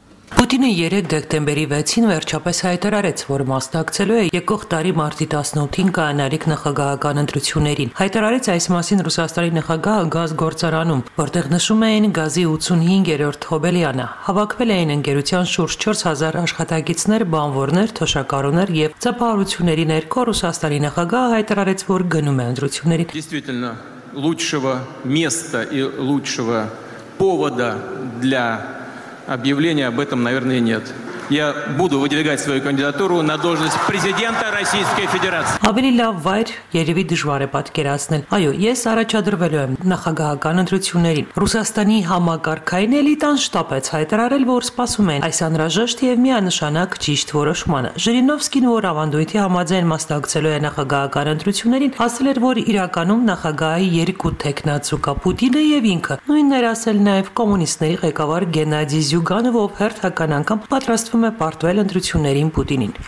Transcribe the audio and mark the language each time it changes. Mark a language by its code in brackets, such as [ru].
[hy] Պուտինը 3 դեկտեմբերի 6-ին վերջապես հայտարարեց, որ մասնակցելու է եկող տարի մարտի 18-ին կայանալիք նախագահական ընտրություններին։ Հայտարարեց այս մասին Ռուսաստանի նախագահը գազ գործարանում, որտեղ նշում էին գազի 85-րդ հոբելյանը։ Հավաքվել էին ընկերության շուրջ 4000 աշխատակիցներ, բանվորներ, թոշակառուներ եւ ծափահարությունների ներքո Ռուսաստանի նախագահը հայտարարեց, որ գնում է ընտրությունների։ [ru] Действительно, лучшего места и лучшего повода для Объявления об этом, наверное, нет. Я буду выдвигать свою кандидатуру на должность президента Российской Федерации. [hy] Ավելի լավ վայր երևի դժվար է պատկերացնել։ Այո, ես առաջադրվելու եմ նախագահական ընտրություններին։ Ռուսաստանի համակարգային էլիտան շտապեց հայտարարել, որ սպասում են այս անհրաժեշտ եւ միանշանակ ճիշտ որոշմանը։ Ժիրինովսկին, որ ավանդույթի համաձայն մասնակցելու է նախագահական ընտրություններին, ասել էր, որ իրականում նախագահի երկու թեկնածուկա Պուտինը եւ ինքը, նույնն էր ասել նաեւ կոմունիստների ղեկավար Գենադի Զյուգանովը, ով հերթական անգամ պատրաստվում է պարտվել ընտրություններին Պուտինին։